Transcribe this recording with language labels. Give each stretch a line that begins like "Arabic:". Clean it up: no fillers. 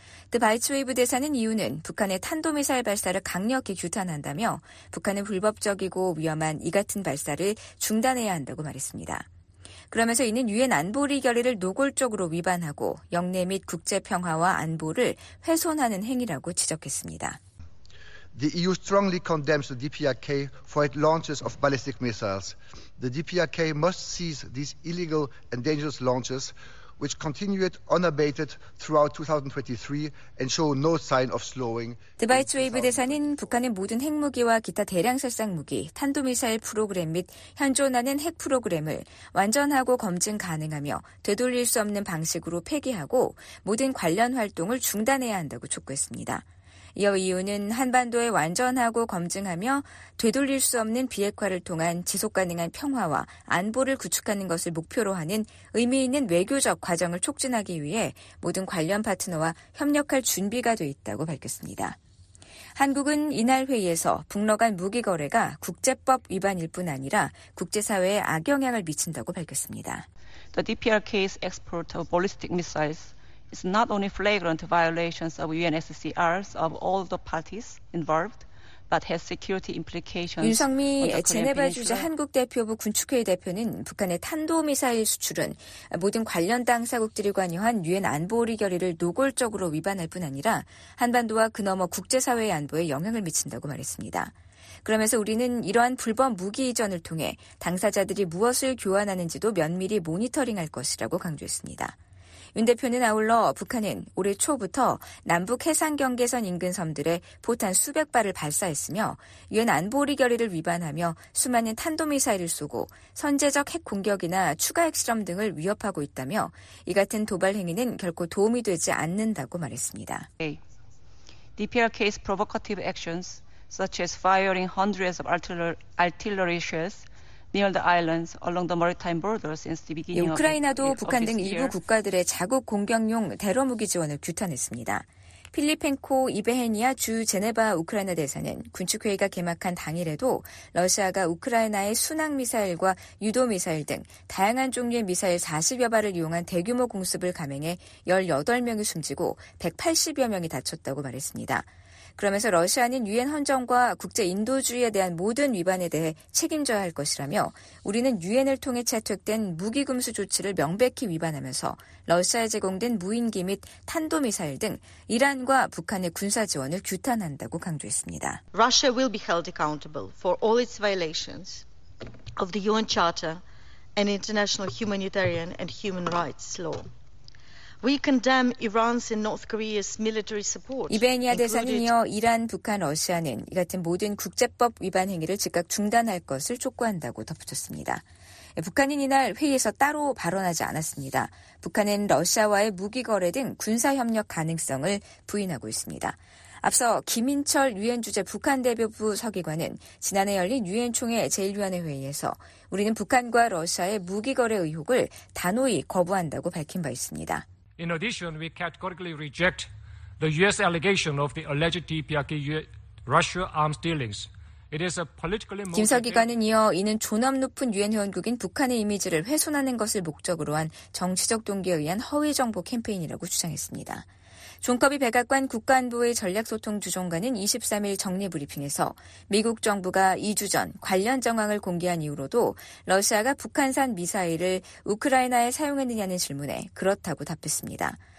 Korean: 드 바이츠웨이브 대사는 이유는 북한의 탄도미사일 발사를 강력히 규탄한다며 북한은 불법적이고 위험한 이 같은 발사를 중단해야 한다고 말했습니다. 그러면서 이는 유엔 안보리 결의를 노골적으로 위반하고 영내 및 국제 평화와 안보를 훼손하는 행위라고 지적했습니다.
English: The EU strongly condemns the DPRK for its launches of ballistic missiles. The DPRK must cease these illegal and dangerous launches, which continued unabated throughout 2023 and show no sign of slowing.
Korean: 드바이츠 웨이브 대사는 북한의 모든 핵무기와 기타 대량 살상 무기, 탄도미사일 프로그램 및 현존하는 핵 프로그램을 완전하고 검증 가능하며 되돌릴 수 없는 방식으로 폐기하고 모든 관련 활동을 중단해야 한다고 촉구했습니다. 이어 EU는 한반도에 완전하고 검증하며 되돌릴 수 없는 비핵화를 통한 지속가능한 평화와 안보를 구축하는 것을 목표로 하는 의미 있는 외교적 과정을 촉진하기 위해 모든 관련 파트너와 협력할 준비가 돼 있다고 밝혔습니다. 한국은 이날 회의에서 북러 간 무기 거래가 국제법 위반일 뿐 아니라 국제사회에 악영향을 미친다고 밝혔습니다.
English: The DPRK's export of ballistic missiles is not only flagrant violations of UNSCRs of all the parties involved, but has security implications.
Korean: 윤석미 제네바 주재 한국 대표부 군축회의 대표는 북한의 탄도미사일 수출은 모든 관련 당사국들이 관여한 유엔 안보리 결의를 노골적으로 위반할 뿐 아니라 한반도와 그 넘어 국제사회의 안보에 영향을 미친다고 말했습니다. 그러면서 우리는 이러한 불법 무기 이전을 통해 당사자들이 무엇을 교환하는지도 면밀히 모니터링할 것이라고 강조했습니다. 윤 대표는 아울러 북한은 올해 초부터 남북 해상 경계선 인근 섬들에 포탄 수백 발을 발사했으며 유엔 안보리 결의를 위반하며 수많은 탄도미사일을 쏘고 선제적 핵 공격이나 추가 핵실험 등을 위협하고 있다며 이 같은 도발 행위는 결코 도움이 되지 않는다고 말했습니다.
English: DPRK's provocative actions such as firing hundreds of artillery shells near the islands along the maritime border since the beginning of this year.
Korean: 우크라이나도 북한 등 일부 국가들의 자국 공격용 대러 무기 지원을 규탄했습니다. 필리펜코 이베헤니아 주 제네바 우크라이나 대사는 군축회의가 개막한 당일에도 러시아가 우크라이나의 순항미사일과 유도미사일 등 다양한 종류의 미사일 40여 발을 이용한 대규모 공습을 감행해 18명이 숨지고 180여 명이 다쳤다고 말했습니다. 그러면서 러시아는 유엔 헌정과 국제인도주의에 대한 모든 위반에 대해 책임져야 할 것이라며 우리는 유엔을 통해 채택된 무기금수 조치를 명백히 위반하면서 러시아에 제공된 무인기 및 탄도미사일 등 이란과 북한의 군사 지원을 규탄한다고 강조했습니다.
English: Russia will be held accountable for all its violations of the UN Charter and international humanitarian and human rights law. We condemn Iran's and North Korea's military support.
Korean: 이베니아 대사는 이어 이란, 북한, 러시아는 이 같은 모든 국제법 위반 행위를 즉각 중단할 것을 촉구한다고 덧붙였습니다. 북한은 이날 회의에서 따로 발언하지 않았습니다. 북한은 러시아와의 무기 거래 등 군사 협력 가능성을 부인하고 있습니다. 앞서 김인철 유엔 주재 북한 대표부 서기관은 지난해 열린 유엔 총회 제1위원회 회의에서 우리는 북한과 러시아의 무기 거래 의혹을 단호히 거부한다고 밝힌 바 있습니다.
English: In addition, we categorically reject the U.S. allegation of the alleged DPRK Russia arms dealings. It is a politically motivated.
Korean: 김서기관은 이어 이는 존엄 높은 유엔 회원국인 북한의 이미지를 훼손하는 것을 목적으로 한 정치적 동기에 의한 허위 정보 캠페인이라고 주장했습니다. 존 커비 백악관 국가안보의 전략소통 주종관은 23일 정례 브리핑에서 미국 정부가 2주 전 관련 정황을 공개한 이후로도 러시아가 북한산 미사일을 우크라이나에 사용했느냐는 질문에 그렇다고 답했습니다.